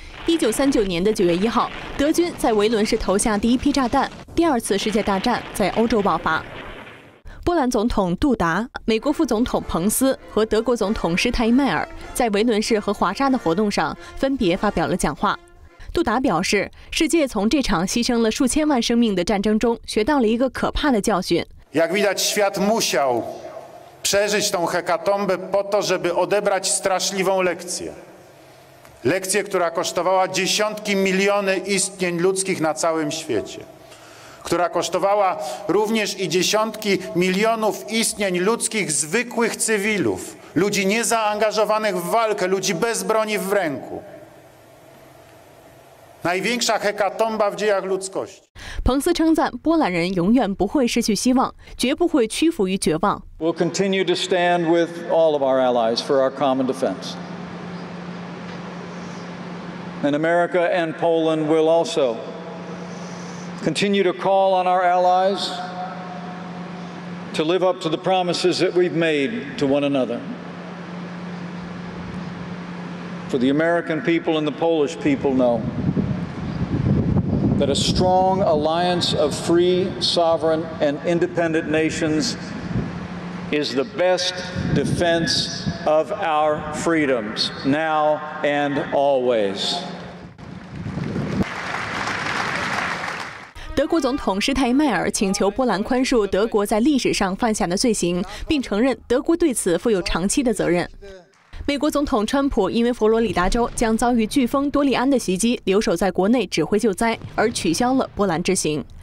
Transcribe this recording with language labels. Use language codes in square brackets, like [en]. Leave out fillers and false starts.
[zh] 1939年9月1日，德军在维伦市投下第一批炸弹，第二次世界大战在欧洲爆发。波兰总统杜达、美国副总统彭斯和德国总统施泰迈尔在维伦市和华沙的活动上分别发表了讲话。杜达表示，世界从这场牺牲了数千万生命的战争中学到了一个可怕的教训。 [pl] Jak widać, świat musiał przeżyć tą hekatombę po to, żeby odebrać straszliwą lekcję. Lekcję, która kosztowała dziesiątki miliony istnień ludzkich na całym świecie. Która kosztowała również i dziesiątki milionów istnień ludzkich zwykłych cywilów. Ludzi niezaangażowanych w walkę, ludzi bez broni w ręku. największa hekatomba w dziejach ludzkości. [zh] 彭斯称赞波兰人永远不会失去希望，绝不会屈服于绝望。 [en] We'll continue to stand with all of our allies for our common defense. And America and Poland will also continue to call on our allies to live up to the promises that we've made to one another. For the American people and the Polish people know. That a strong alliance of free, sovereign, and independent nations is the best defense of our freedoms, now and always. [zh] 德国总统施泰迈尔请求波兰宽恕德国在历史上犯下的罪行，并承认德国对此负有长期的责任。美国总统川普因为佛罗里达州将遭遇飓风多利安的袭击，留守在国内指挥救灾，而取消了波兰之行。